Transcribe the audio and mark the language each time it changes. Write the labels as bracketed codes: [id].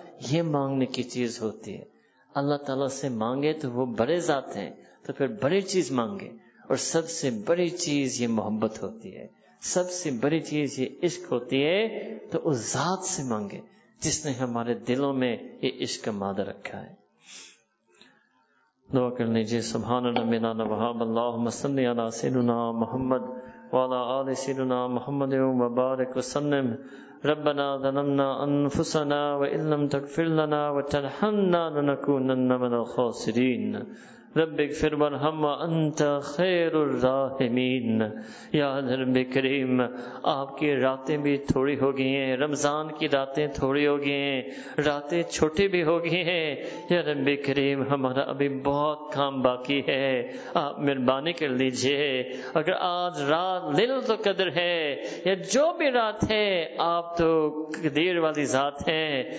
[ur] یہ مانگنے کی چیز ہوتی ہے. اللہ تعالیٰ سے مانگے تو وہ بڑے ذات ہیں, تو پھر بڑی چیز مانگے, اور سب سے بڑی چیز یہ محبت ہوتی ہے, سب سے بڑی چیز یہ عشق ہوتی ہے. تو اس ذات سے مانگے جس نے ہمارے دلوں میں یہ عشق کا مادہ رکھا ہے. دعا کر لیجیے. [ar] سبحان ربنا وبحمد اللهم صل على سيدنا محمد وعلى آل سيدنا محمد وبارك وسلم. ربنا ظلمنا انفسنا وان لم تغفر لنا وترحمنا لنكونن من الخاسرين. رب اغفر وارحم وانت خير الراحمين. [ur] يا رب كريم, آپ کی راتیں بھی تھوڑی ہو گئی ہیں, رمضان کی راتیں تھوڑی ہو گئی ہیں, راتیں چھوٹی بھی ہو گئی ہیں. یا رب کریم, ہمارا ابھی بہت کام باقی ہے, آپ مہربانی کر لیجئے. اگر آج رات لیلۃ القدر ہے یا جو بھی رات ہے, آپ تو قدیر والی ذات ہیں.